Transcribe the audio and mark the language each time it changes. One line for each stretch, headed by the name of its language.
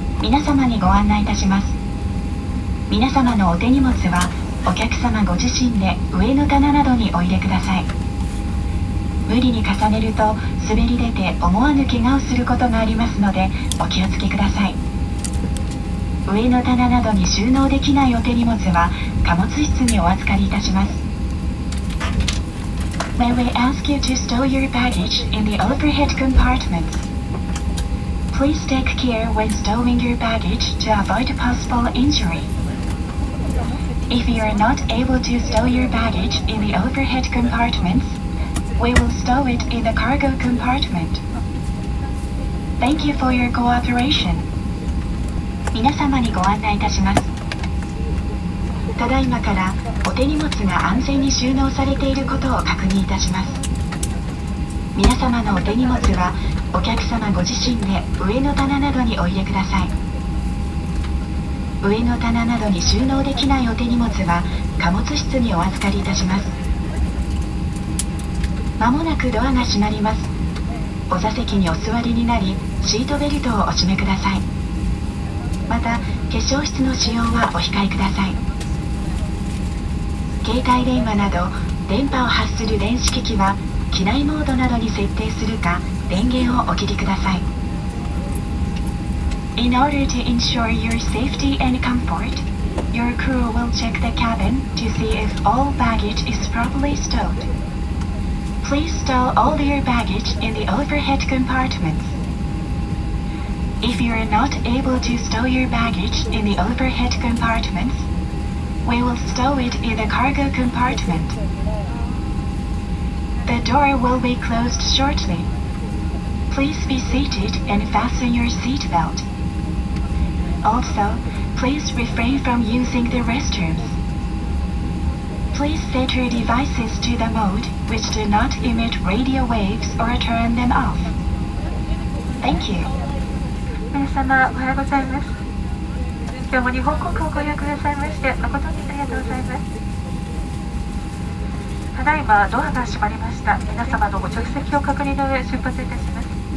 Japanese: 皆様にご案内いたします。皆様のお手荷物はお客様ご自身で上の棚などにお入れください。無理に重ねると滑り出て思わぬ怪我をすることがありますのでお気をつけください。上の棚などに収納できないお手荷物は貨物室にお預かりいたします。
English: May we ask you to store your baggage in the overhead compartments. Please take care when storing your baggage to avoid possible injury. If you are not able to store your baggage in the overhead compartments, we will store it in the cargo compartment. Thank you for your cooperation.
Japanese: 皆様にご案内いたします。ただいまからお手荷物が安全に収納されていることを確認いたします。皆様のお手荷物はお客様ご自身で上の棚などにお入れください。上の棚などに収納できないお手荷物は貨物室にお預かりいたします。まもなくドアが閉まります。お座席にお座りになりシートベルトをお締めください。また化粧室の使用はお控えください。携帯電話など電波を発する電子機器は機内モードなどに設定するか電源をお切りください。
English: In order to ensure your safety and comfort, your crew will check the cabin to see if all baggage is properly stowed. Please stow all your baggage in the overhead compartments. If you are not able to stow your baggage in the overhead compartmentsWe will stow it in the cargo compartment. The door will be closed shortly. Please be seated and fasten your seat belt. Also, please refrain from using the restrooms. Please set your devices to the mode which do not emit radio waves or turn them off. Thank you.
Japanese: 皆様、おはようございます。今日も日本航空をご予約くださいまして誠にありがとうございます。ただいまドアが閉まりました。皆様のご着席を確認の上出発いたします。